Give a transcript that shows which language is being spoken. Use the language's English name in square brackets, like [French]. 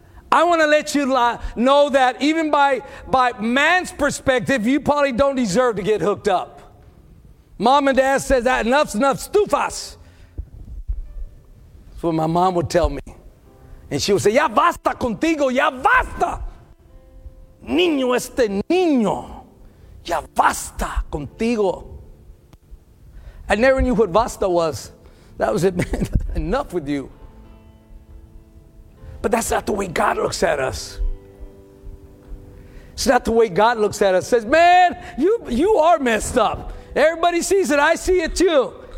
[English] I want to let you know that even by man's perspective, you probably don't deserve to get hooked up. Mom and dad says that enough's enough, stufas. That's what my mom would tell me. And she would say, [Spanish] ya basta contigo, ya basta. Niño este niño, ya basta contigo. [English] I never knew what basta was. That was it, man. Enough with you. But that's not the way God looks at us. It's not the way God looks at us. Says, man, you are messed up. Everybody sees it. I see it too.